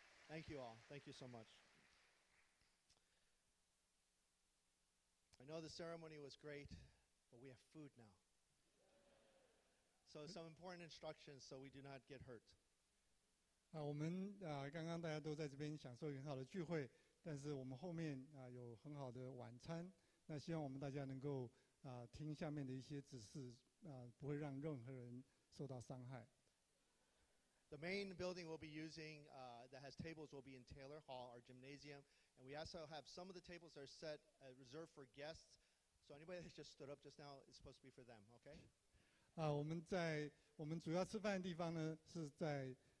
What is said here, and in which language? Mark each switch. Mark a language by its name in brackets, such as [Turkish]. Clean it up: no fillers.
[English] Thank you all. Thank you so much. I know the ceremony was great, but we have food now. So some important instructions so we do not get hurt. [Chinese] 我们刚刚大家都在这边享受很好的聚会。但是我们后面有很好的晚餐，那希望我们大家能够听下面的一些指示，不会让任何人受到伤害。 [English] The main building we'll be using that has tables will be in Taylor Hall, our gymnasium, and we also have some of the tables that are set reserved for guests. So anybody that just stood up just now is supposed to be for them, okay? [Chinese] 我们主要吃饭的地方呢是在